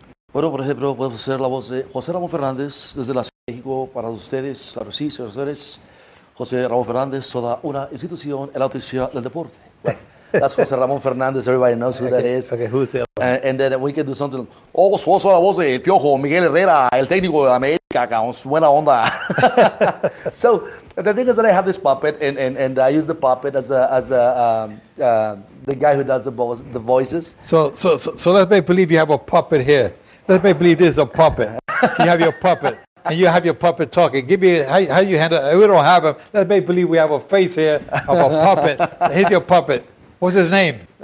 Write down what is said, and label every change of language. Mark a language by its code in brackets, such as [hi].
[es] Bueno, por ejemplo, puedo ser la voz de José Ramón Fernández desde la Ciudad de México para ustedes, para sí, para ustedes. José Ramón Fernández, toda una institución en la oficina del deporte. [en] That's José Ramón Fernández, everybody knows who that is. Okay, who's the other one? And then we can do something. [es] Oh, suoso la voz de Piojo, Miguel Herrera, el técnico de América, buena onda. [en] So, the thing is that I have this puppet, and I use the puppet as the guy who does the voices. So let's make believe you have a puppet here. Let's make believe this is a puppet. You have your puppet. And you have your puppet talking. Give me how you handle. We don't have him. Let's make believe we have a face here of a puppet. Here's your puppet. What's his name?